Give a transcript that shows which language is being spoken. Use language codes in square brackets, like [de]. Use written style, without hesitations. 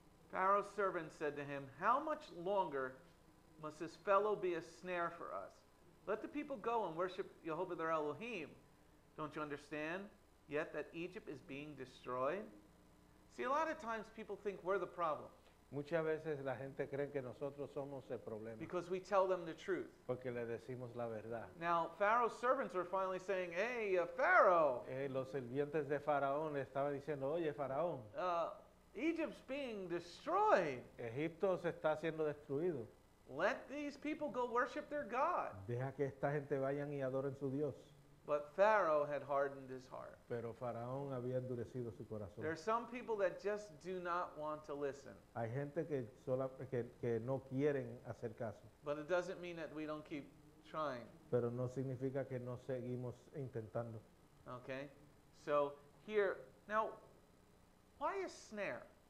[en] Pharaoh's servant said to him, how much longer must this fellow be a snare for us? Let the people go and worship Yehovah their Elohim. Don't you understand yet that Egypt is being destroyed? See, a lot of times people think we're the problem. [es] Muchas veces la gente cree que nosotros somos el problema. [en] Because we tell them the truth. [es] Porque le decimos la verdad. [en] Now, Pharaoh's servants were finally saying, hey, Pharaoh. [es] Los sirvientes de Faraón estaban diciendo, oye, Faraón. [en] Egypt's being destroyed. [es] Egipto se está siendo destruido. [en] Let these people go worship their God. [es] Deja que esta gente vayan y adoren su Dios. [en] But Pharaoh had hardened his heart. [es] Pero Faraón había endurecido su corazón. [en] There are some people that just do not want to listen. [es] Hay gente que no quieren hacer caso. [en] But it doesn't mean that we don't keep trying. [es] Pero no significa que no seguimos intentando. [en] Okay. So here, now, why a snare?